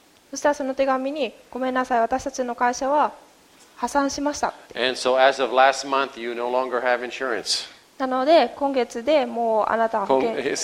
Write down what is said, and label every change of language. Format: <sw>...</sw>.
<ja>そしたらその手紙に、ごめんなさい、私たちの会社は破産しました。</ja> <en>And so as of last month, you no longer have insurance.</en> <ja>なので今月でもうあなたは保険。</ja>